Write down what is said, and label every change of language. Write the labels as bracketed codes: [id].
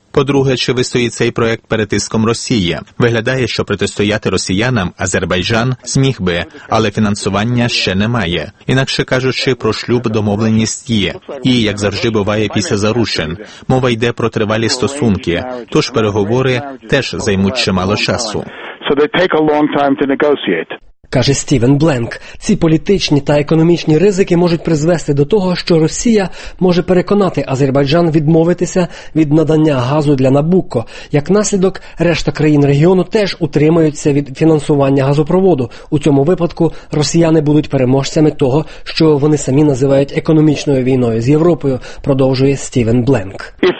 [uk] По-друге, чи вистоїть цей проект перед тиском Росії? Виглядає, що протистояти росіянам Азербайджан зміг би, але фінансування ще немає. Інакше кажучи, про шлюб домовленість є. І, як завжди буває після зарушень, мова йде про тривалі стосунки, тож переговори теж займуть чимало часу. [en] So they take a long time to negotiate. [uk] Каже Стівен Бленк, ці політичні та економічні ризики можуть призвести до того, що Росія може переконати Азербайджан відмовитися від надання газу для Набукко. Як наслідок, решта країн регіону теж утримаються від фінансування газопроводу. У цьому випадку росіяни будуть переможцями того, що вони самі називають економічною війною з Європою, продовжує Стівен Бленк.